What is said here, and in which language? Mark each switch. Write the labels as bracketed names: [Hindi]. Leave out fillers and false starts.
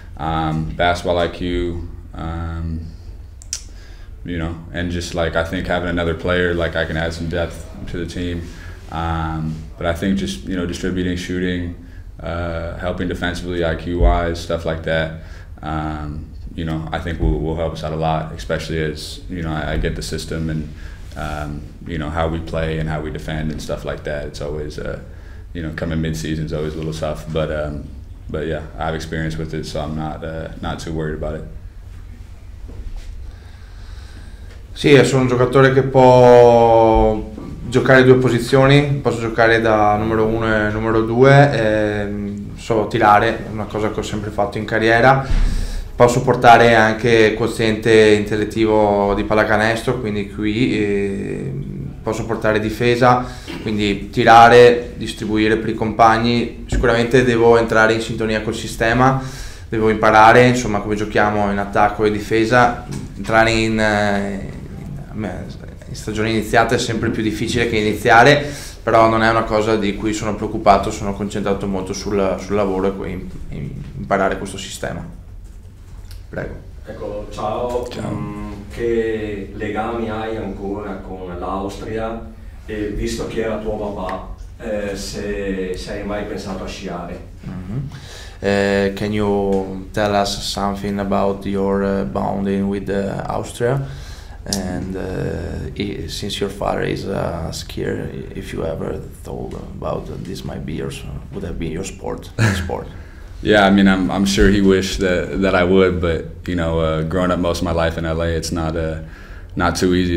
[English] Basketball IQ, you know, and just like, I think having another player, like, I can add some depth to the team, but I think just, you know, distributing, shooting, helping defensively, IQ wise, stuff like that, you know, I think will help us out a lot, especially as, you know, I get the system and, you know, how we play and how we defend and stuff like that. It's always, you know, coming mid-season is always a little tough, but yeah, I have experience with it, so I'm not too worried about it. [Italian] Sì, sono un giocatore che può giocare due posizioni, posso giocare da numero 1 e numero 2, so tirare, una cosa che ho sempre fatto in carriera, posso portare anche quoziente intellettivo di pallacanestro, quindi qui posso portare difesa, quindi tirare, distribuire per i compagni, sicuramente devo entrare in sintonia col sistema. Devo imparare, insomma, come giochiamo in attacco e difesa, entrare in stagione iniziata è sempre più difficile che iniziare, però non è una cosa di cui sono preoccupato, sono concentrato molto sul lavoro e poi imparare questo sistema. Prego. Ecco, ciao. Che legami hai ancora con l'Austria? E visto che era tuo papà, se hai mai pensato a sciare? Mm-hmm. [English] Can you tell us something about your bonding with Austria? And since your father is a skier, if you ever thought about this might be your, would have been your sport? Yeah, I mean, I'm sure he wished that I would, but you know, growing up most of my life in LA, it's not too easy.